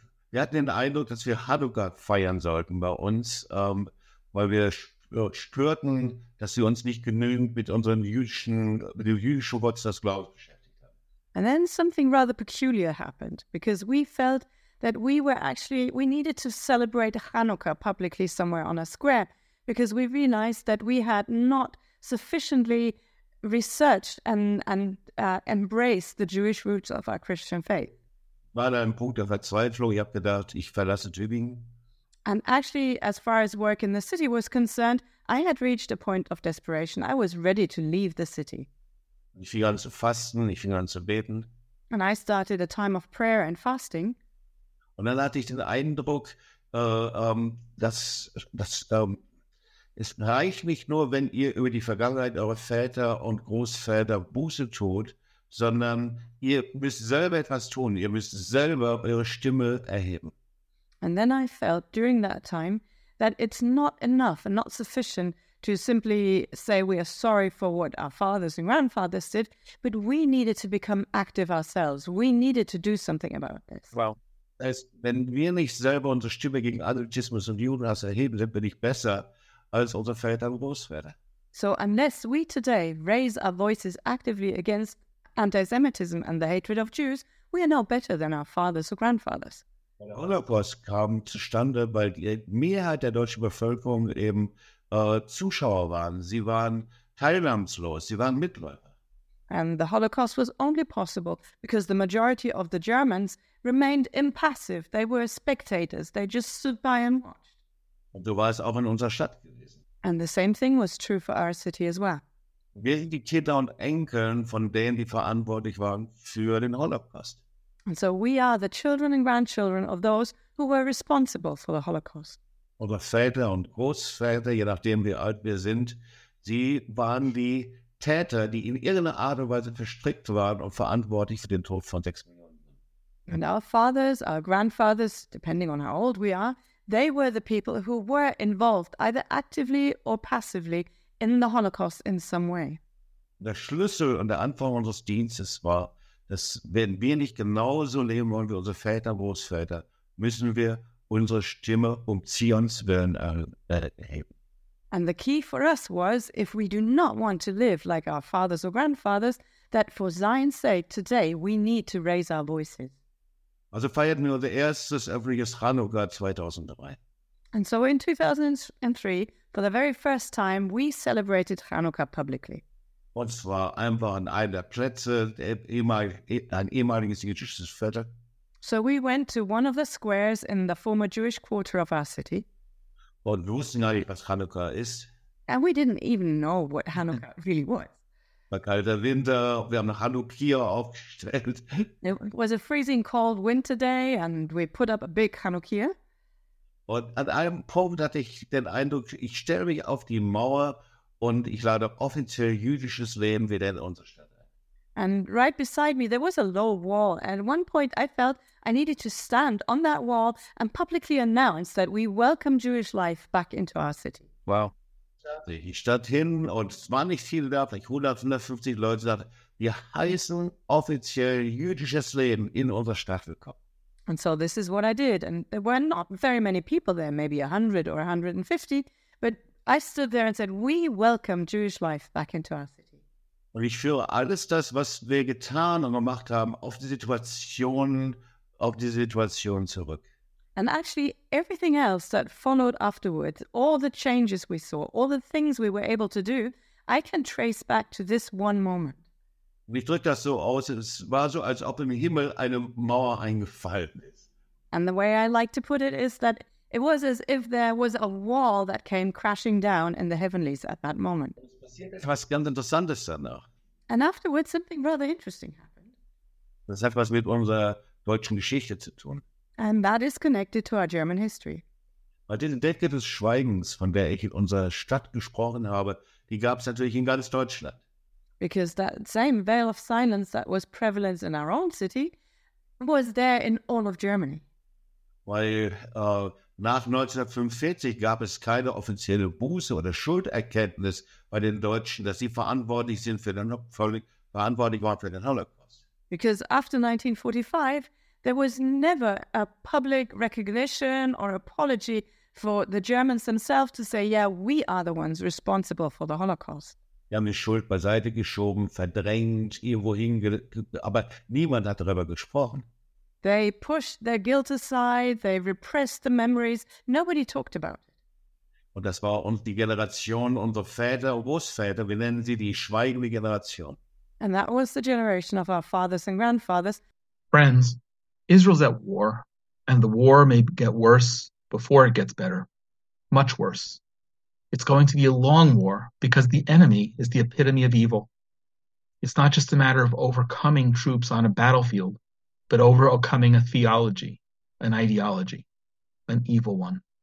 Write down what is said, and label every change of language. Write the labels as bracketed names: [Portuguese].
[German] Wir hatten den Eindruck, dass wir Hanukkah feiern sollten bei uns, weil wir spürten, dass sie uns nicht genügend mit unseren jüdischen, mit dem jüdischen Gottesglauben beschäftigt haben. [English] And then something rather peculiar happened, because we felt that we needed to celebrate Hanukkah publicly somewhere on a square, because we realized that we had not sufficiently researched and embraced the Jewish roots of our Christian faith. [German] War da ein Punkt der Verzweiflung? Ich habe gedacht, ich verlasse Tübingen. [English] And actually, as far as work in the city was concerned, I had reached a point of desperation. I was ready to leave the city. [German] Ich fing an zu fasten, ich fing an zu beten. [English] And I started a time of prayer and fasting. [German] Und dann hatte ich den Eindruck, es reicht nicht nur, wenn ihr über die Vergangenheit eurer Väter und Großväter Buße tut, sondern ihr müsst selber etwas tun, ihr müsst selber eure Stimme erheben. [English] And then I felt during that time that it's not enough and not sufficient to simply say we are sorry for what our fathers and grandfathers did, but we needed to become active ourselves. We needed to do something about this. [German] Well, wenn wir nicht selber unsere Stimme gegen Antisemitismus und Judenhass erheben, dann bin ich besser als unsere Väter und Großväter. [English] So unless we today raise our voices actively against Antisemitism and the hatred of Jews, we are no better than our fathers or grandfathers. [German] Der Holocaust kam zustande, weil die Mehrheit der deutschen Bevölkerung eben Zuschauer waren. Sie waren teilnahmslos, sie waren Mitläufer. [English] And the Holocaust was only possible because the majority of the Germans remained impassive. They were spectators. They just stood by and watched. [German] Und so war es auch in unserer Stadt gewesen. [English] And the same thing was true for our city as well. [German] Wir sind die Kinder und Enkeln von denen, die verantwortlich waren für den Holocaust. [English] And so we are the children and grandchildren of those who were responsible for the Holocaust. [German] Unsere Väter und Großväter, je nachdem wie alt wir sind, sie waren die Täter, die in irgendeiner Art und Weise verstrickt waren und verantwortlich für den Tod von 6 Millionen. [English] And our fathers, our grandfathers, depending on how old we are, they were the people who were involved, either actively or passively, in the Holocaust in some way. [German] Der Schlüssel und der Anfang unseres Dienstes war, dass wenn wir nicht genauso leben wollen wie unsere Väter und Großväter, müssen wir unsere Stimme um Zions willen erheben. [English] And the key for us was, if we do not want to live like our fathers or grandfathers, that for Zion's sake today, we need to raise our voices. [German] Also feierten wir unser erstes öffentliches Hanukkah 2003. [English] And so in 2003, for the very first time, we celebrated Hanukkah publicly. [German] Und zwar einfach an einem der Plätze, ein ehemaliges jüdisches Viertel. [English] So we went to one of the squares in the former Jewish quarter of our city. [German] Und wir wussten gar nicht, was Hanukkah ist. [English] And we didn't even know what Hanukkah really was. [German] War kalter Winter, wir haben Hanukkah aufgestellt. [English] It was a freezing cold winter day and we put up a big Hanukkah. [German] Und an einem Punkt hatte ich den Eindruck, ich stelle mich auf die Mauer und ich lade offiziell jüdisches Leben wieder in unsere Stadt ein. [English] And right beside me, there was a low wall. And at one point, I felt I needed to stand on that wall and publicly announce that we welcome Jewish life back into our city. Wow. [German] Ich stand hin und es waren nicht viele da, vielleicht 100, 150 Leute, die sagten, wir heißen offiziell jüdisches Leben in unserer Stadt willkommen. [English] And so this is what I did. And there were not very many people there, maybe 100 or 150. But I stood there and said, we welcome Jewish life back into our city. [German] Und ich führe alles das, was wir getan und gemacht haben, auf die Situation zurück. [English] And actually, everything else that followed afterwards, all the changes we saw, all the things we were able to do, I can trace back to this one moment. [German] Und ich drücke das so aus, es war so, als ob im Himmel eine Mauer eingefallen ist. [English] And the way I like to put it is that it was as if there was a wall that came crashing down in the heavenlies at that moment. [German] Was ganz Interessantes danach. [English] And afterwards, something rather interesting happened. [German] Das hat was mit unserer deutschen Geschichte zu tun. [English] And that is connected to our German history. [German] Weil diese Decke des Schweigens, von der ich in unserer Stadt gesprochen habe, die gab es natürlich in ganz Deutschland. [English] Because that same veil of silence that was prevalent in our own city was there in all of Germany. [German] Weil nach 1945 gab es keine offizielle Buße oder Schulderkenntnis bei den Deutschen, dass sie verantwortlich waren für den Holocaust. [English] Because after 1945, there was never a public recognition or apology for the Germans themselves to say, yeah, we are the ones responsible for the Holocaust. [German] Die haben die Schuld beiseite geschoben, verdrängt, irgendwo hingelegt, aber niemand hat darüber gesprochen. [English] They pushed their guilt aside, they repressed the memories, nobody talked about it. [German] Und das war uns die Generation unserer Väter und Großväter, wir nennen sie die schweigende Generation. [English] And that was the generation of our fathers and grandfathers. Friends, Israel's at war, and the war may get worse before it gets better. Much worse. It's going to be a long war because the enemy is the epitome of evil. It's not just a matter of overcoming troops on a battlefield, but overcoming a theology, an ideology, an evil one.